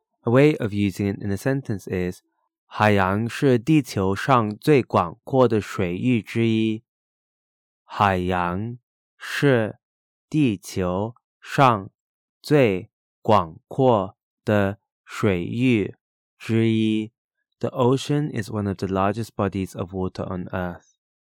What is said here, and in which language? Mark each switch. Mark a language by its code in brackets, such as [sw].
[en] A way of using it in a sentence is [zh] 海洋是地球上最广阔的水域之一。海洋是地球上最广阔的水域之一。 [en] The ocean is one of the largest bodies of water on Earth.